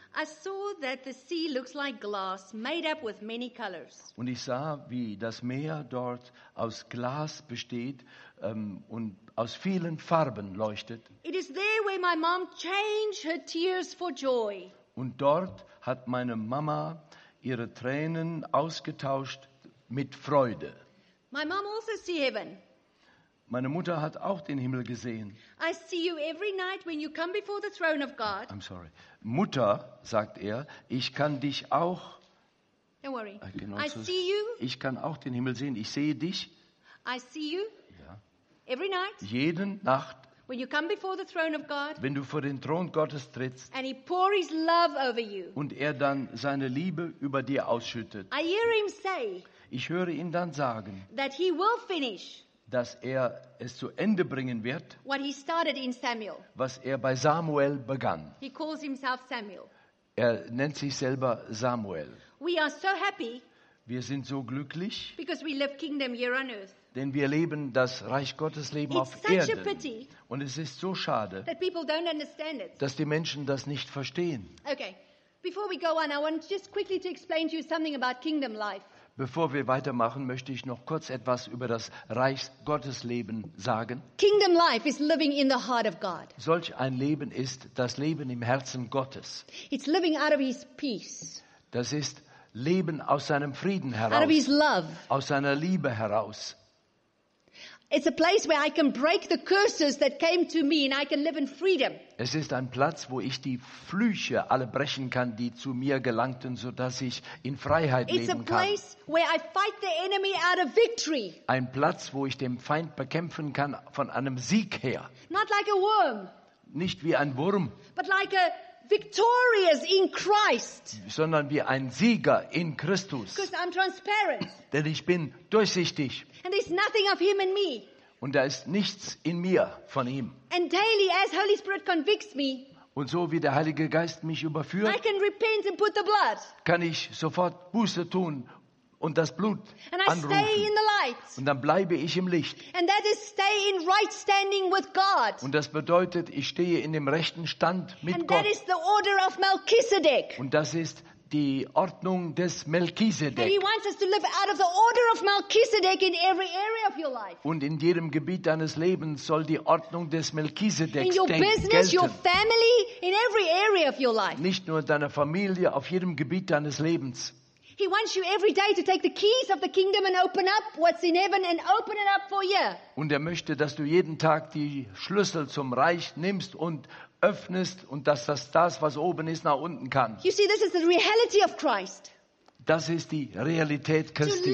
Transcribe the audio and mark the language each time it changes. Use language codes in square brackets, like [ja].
[en] I saw that the sea looks like glass, made up with many colors. [de] Und ich sah, wie das Meer dort aus Glas besteht und aus vielen Farben leuchtet. [en] It is there where my mom changed her tears for joy. [de] Und dort hat meine Mama ihre Tränen ausgetauscht mit Freude. [en] My mom also see heaven. [de] Meine Mutter hat auch den Himmel gesehen. [en] I see you every night when you come before the throne of God. I'm sorry. [de] Mutter, sagt er, ich kann dich auch. [en] Don't worry. I see you. [de] Ich kann auch den Himmel sehen. Ich sehe dich. [en] I see you. [de] Ja. [en] Every night. [de] Jeden Nacht. [en] When you come before the throne of God. [de] Wenn du vor den Thron Gottes trittst. [en] And he pours his love over you. [de] Und er dann seine Liebe über dir ausschüttet. [en] I hear him say. [de] Ich höre ihn dann sagen. [en] That he will finish. [de] Dass er es zu Ende bringen wird, [en] what he started in Samuel. [de] Was er bei Samuel begann. [en] He calls himself Samuel. [de] Er nennt sich selber Samuel. [en] We are so happy, [de] wir sind so glücklich, [en] because we live kingdom here on earth. [de] Denn wir leben das Reich Gottes Leben [en] it's [de] auf [en] such [de] Erden. [en] A pity, [de] und es ist so schade, [en] that people don't understand it. [de] Dass die Menschen das nicht verstehen. [en] Okay, before we go on, I want just quickly to explain to you something about kingdom life. [de] Bevor wir weitermachen, möchte ich noch kurz etwas über das Reich Gottes Leben sagen. [en] Kingdom life is living in the heart of God. [de] Solch ein Leben ist das Leben im Herzen Gottes. [en] It's living out of his peace. [de] Das ist Leben aus seinem Frieden heraus. [en] Out of his love. [de] Aus seiner Liebe heraus. [en] It's a place where I can break the curses that came to me and I can live in freedom. [de] Es ist ein Platz, wo ich die Flüche alle brechen kann, die zu mir gelangten, so dass ich in Freiheit leben kann. [en] It's a place where I fight the enemy out of victory. [de] Ein Platz, wo ich den Feind bekämpfen kann von einem Sieg her. [en] Not like a worm. [de] Nicht wie ein Wurm. [en] But like a victorious in Christ. [de] Sondern wie ein Sieger in Christus. [en] Because I'm transparent. [de] Denn ich bin durchsichtig. [en] And there's nothing of him in me. [de] Und da ist nichts in mir von ihm. [en] And daily, as Holy Spirit convicts me, [de] und so wie der Heilige Geist mich überführt, [en] I can repent and put the blood. [de] Kann ich sofort Buße tun und das Blut [en] and [de] anrufen. [en] I stay in the light. [de] Und dann bleibe ich im Licht. [en] And that is stay in right standing with God. [de] Und das bedeutet, ich stehe in dem rechten Stand mit [en] and That is the order of Melchizedek. [de] Und das ist die Ordnung des Melchisedek. [en] He wants us to live out of the order of Melchisedek in every area of your life. [de] Und in jedem Gebiet deines Lebens soll die Ordnung des Melchisedek gelten. [en] In your business, your family, in every area of your life. [de] Nicht nur deiner Familie, auf jedem Gebiet deines Lebens. [en] He wants you every day to take the keys of the kingdom and open up what's in heaven and open it up for you. [de] Und er möchte, dass du jeden Tag die Schlüssel zum Reich nimmst und öffnest und dass das, was oben ist, nach unten kann. [en] You see, this is the reality of Christ. [de] Das ist die Realität Christi.